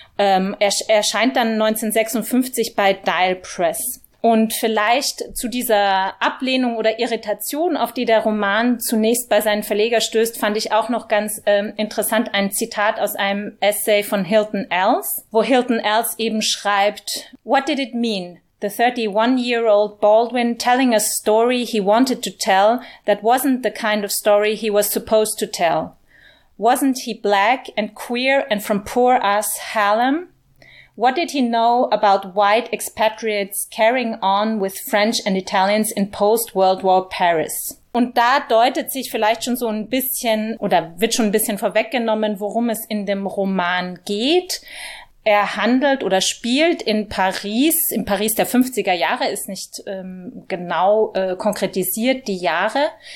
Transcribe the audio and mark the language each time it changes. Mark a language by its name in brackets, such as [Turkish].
[German] Er erscheint dann 1956 bei Dial Press. Und vielleicht zu dieser Ablehnung oder Irritation, auf die der Roman zunächst bei seinen Verleger stößt, fand ich auch noch ganz interessant ein Zitat aus einem Essay von Hilton Ells, wo Hilton Ells eben schreibt, [English] "What did it mean? The 31-year-old Baldwin telling a story he wanted to tell that wasn't the kind of story he was supposed to tell. Wasn't he black and queer and from poor ass Harlem? What did he know about white expatriates carrying on with French and Italians in post-World War Paris?" [German] Und da deutet sich vielleicht schon so ein bisschen oder wird schon ein bisschen vorweggenommen, worum es in dem Roman geht. Er handelt oder spielt in Paris der 50er Jahre, ist nicht genau konkretisiert, die Jahre.